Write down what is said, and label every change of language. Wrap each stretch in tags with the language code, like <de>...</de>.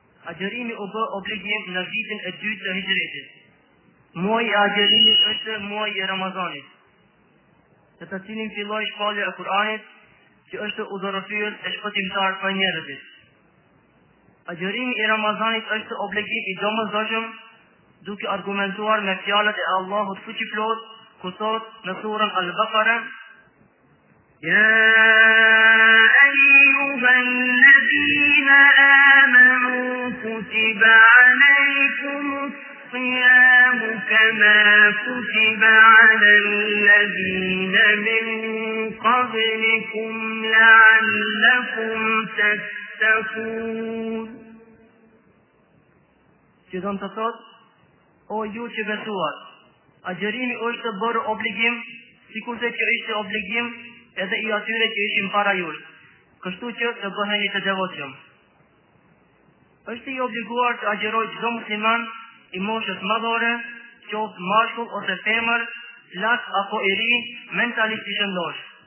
<sq>Agjerimi u bë obligim në vitin e 2 të hijretit. Muaj i agjerimit është muaj i Ramazanit, të të cilin filloj shpallje e Kur'anit, që është udhërofyr e shpëtimtar për njerëzit. Agjerimi i Ramazanit është obligim i domosdoshëm, duke argumentuar me fjalët e Allahut fuqiplot, ku thot në surën Al-Baqara,</sq> <ar>Ya أيها الذين آمنوا كتب عليكم الصيام كما كتب على الذين من قبلكم لعلكم تتقون</ar> <sq>Qizan të thot, o ju që besuat, agjerimi është bërë obligim, sikur se që ishte obligim, edhe i atyre që ishim para jush, kështu që të bëheni të devotshëm. Është i obliguar të agjeroj çdo musliman i moshës madhore, qoftë mashkull ose femër, lart apo i ri, mentalisht i shëndosh.</sq>